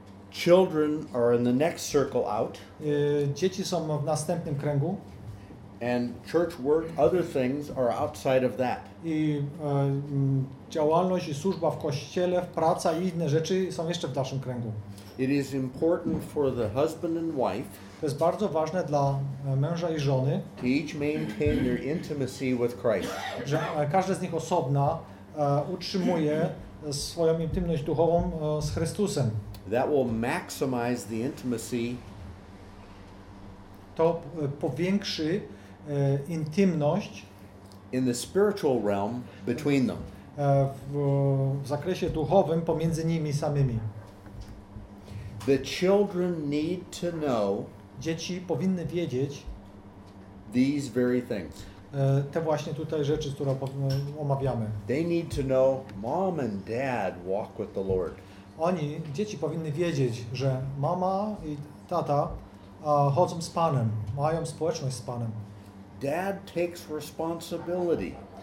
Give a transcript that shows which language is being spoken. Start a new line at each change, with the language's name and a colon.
English: Children are in the next circle out.
Polish: Dzieci są w następnym kręgu.
English: And church work, other things are outside of that.
Polish: I działalność i służba w kościele, praca i inne rzeczy są jeszcze w dalszym kręgu.
English: It is important for the husband and wife.
Polish: To jest bardzo ważne dla męża i żony,
English: to each maintain their intimacy with Christ.
Polish: Że każdy z nich osobna utrzymuje swoją intymność duchową z Chrystusem.
English: That will maximize the intimacy.
Polish: To powiększy intymność
English: in the spiritual realm between them.
Polish: W zakresie duchowym pomiędzy nimi samymi.
English: The children need to know.
Polish: Dzieci powinny wiedzieć
English: these very things.
Polish: Te właśnie tutaj rzeczy, które omawiamy.
English: They need to know mom and dad walk with the Lord.
Polish: Oni, dzieci powinny wiedzieć, że mama i tata chodzą z Panem, mają społeczność z Panem.
English: Dad takes responsibility.